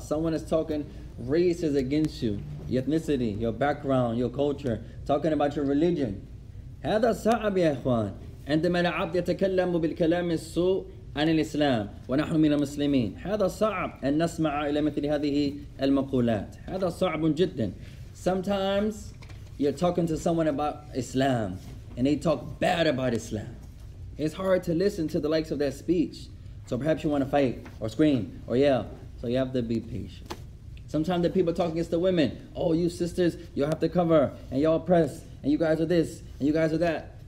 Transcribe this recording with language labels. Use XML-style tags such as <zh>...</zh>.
<en>Someone is talking racist against you, your ethnicity, your background, your culture, talking about your religion.</en> <ar>هذا صعب يا إخوان. عندما العبد يتكلم بالكلام السوء عن الإسلام ونحن من المسلمين. هذا صعب أن نسمع إلى مثل هذه المقولات. هذا صعب جدا.</ar> <en>Sometimes you're talking to someone about Islam and they talk bad about Islam, it's hard to listen to the likes of that speech. So perhaps you want to fight or scream or yell. So you have to be patient. Sometimes the people talk against the women. Oh, you sisters, you have to cover and y'all press and you guys are this and you guys are that.</en>